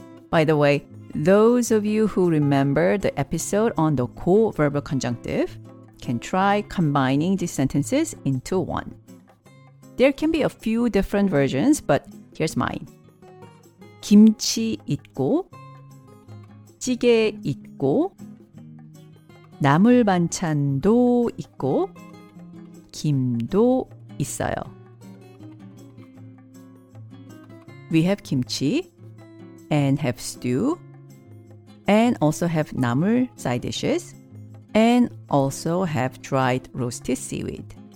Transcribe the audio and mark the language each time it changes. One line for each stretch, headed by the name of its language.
English: By the way, those of you who remember the episode on the 고 verbal conjunctive can try combining these sentences into one. There can be a few different versions, but here's mine.
Korean: 김치 있고, 찌개 있고, 나물 반찬도 있고, 김도 있어요.
English: We have kimchi and have stew and also have 나물 side dishes and also have dried roasted seaweed.